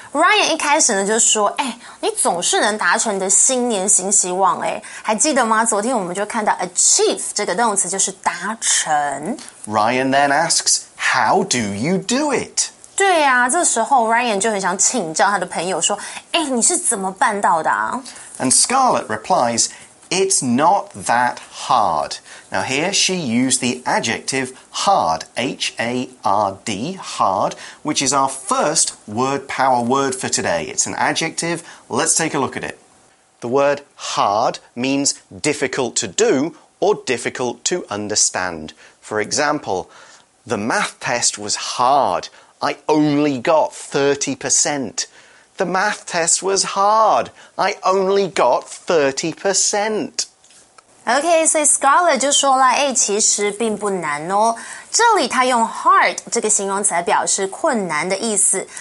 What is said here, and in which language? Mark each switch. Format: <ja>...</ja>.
<zh>Ryan 一开始呢就说，哎，你总是能达成你的新年新希望，哎，还记得吗？昨天我们就看到 achieve 这个动词就是达成。</zh> <en>Ryan then asks, how do you do it?</en> <zh>对啊，这时候 Ryan 就很想请教他的朋友说，哎，你是怎么办到的啊？</zh> <en>And Scarlett replies,It's not that hard. Now here she used the adjective hard, H-A-R-D, hard, which is our first word power word for today. It's an adjective. Let's take a look at it. The word hard means difficult to do or difficult to understand. For example, the math test was hard. I only got 30%. The math test was hard. I only got 30%.</en> <zh>OK, 所以 Scarlett 就说了，欸，其实并不难哦。这里他用 hard 这个形容词来表示困难的意思。</zh>